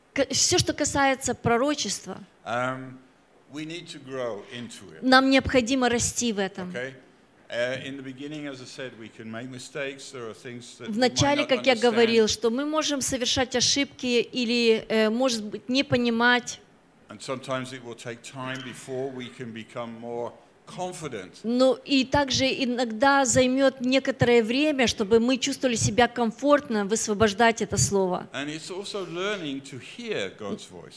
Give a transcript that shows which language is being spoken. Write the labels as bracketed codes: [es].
[ru] Все, что касается пророчества, [en] we need to grow into it. [ru] Нам необходимо расти в этом. [en] Okay? In the beginning, as I said, we can make mistakes. There are things that. [ru] В начале, как я говорил, что мы можем совершать ошибки или может быть не понимать. [en] And sometimes it will take time before we can become more confident. [ru] Ну и также иногда займет некоторое время, чтобы мы чувствовали себя комфортно высвобождать это слово. [en] And it's also learning to hear God's voice.